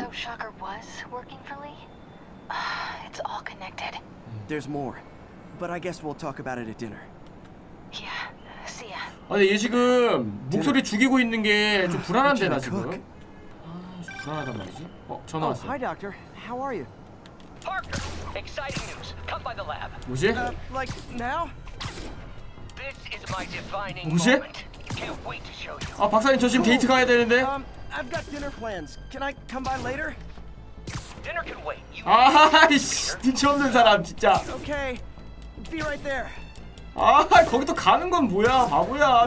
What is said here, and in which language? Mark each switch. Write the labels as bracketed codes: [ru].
[en] So Shocker was working for Lee? It's all connected. There's more. But I guess we'll talk about it at dinner. Yeah. [ko] 아니 얘 지금 목소리 죽이고 있는 게 좀 불안한데 나 지금. 불안하단 말이지. 어, 전화 왔어. [en] Hi doctor. How are you? Parker. Exciting news. Come by the lab. [ko] 뭐지? [en] Like now? This is my defining moment. Can't wait to show you. [ko] 아, 박사님 저 지금 데이트 가야 되는데. [en] I've got dinner plans. Can I come by later? Dinner can wait. [ko] 아, 씨. 미쳐 없는 사람 진짜. [en] Okay. Be right there. [ko] 아, 거기 또 가는 건 뭐야, 바보야.